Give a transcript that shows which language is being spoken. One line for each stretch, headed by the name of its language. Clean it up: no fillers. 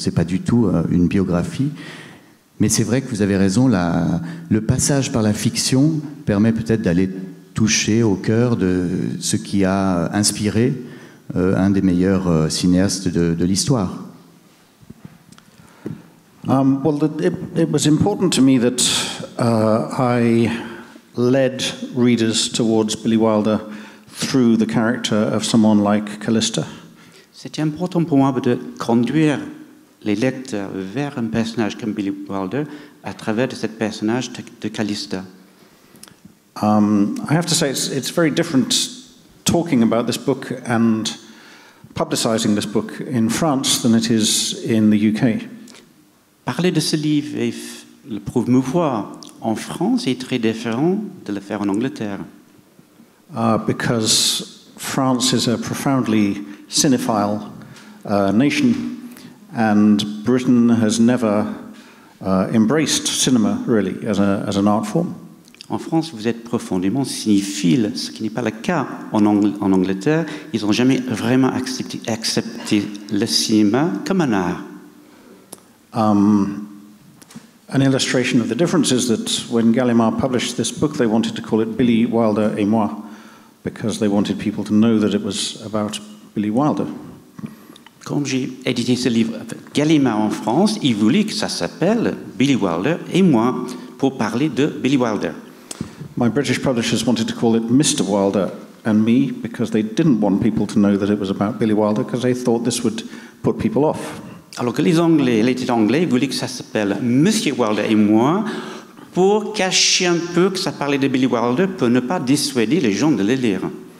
French: C'est pas du tout une biographie. Mais c'est vrai que vous avez raison, le passage par la fiction permet peut-être d'aller toucher au cœur de ce qui a inspiré un des meilleurs cinéastes de l'histoire.
English: It was important to me that I led readers towards Billy Wilder through the character of someone like Calista.
French: C'était important pour moi de conduire les lecteurs vers un personnage comme Billy Wilder à travers de cet personnage de Calista.
English: I have to say it's very different talking about this book and publicizing this book in France than it is in the UK.
French: Parler de ce livre et le promouvoir en France est très différent de le faire en Angleterre.
English: Because France is a profoundly cinéphile nation, and Britain has never embraced cinema really as an art form.
French: En France, vous êtes profondément cinéphile, ce qui n'est pas le cas en Angleterre. Ils n'ont jamais vraiment accepté le cinéma comme un art.
English: An illustration of the difference is that when Gallimard published this book, they wanted to call it Billy Wilder et moi, because they wanted people to know that it was about Billy Wilder.
French: Comme j'ai édité ce livre, Gallimard en France, il voulait que ça s'appelle Billy Wilder et moi pour parler de Billy Wilder.
English: My British publishers wanted to call it Mr. Wilder and me because they didn't want people to know that it was about Billy Wilder because they thought this would put people off.
French: Alors que les Anglais, les titres anglais, voulaient que ça s'appelle Monsieur Wilder et moi, pour cacher un peu que ça parlait de Billy Wilder, pour ne pas dissuader les gens de le lire.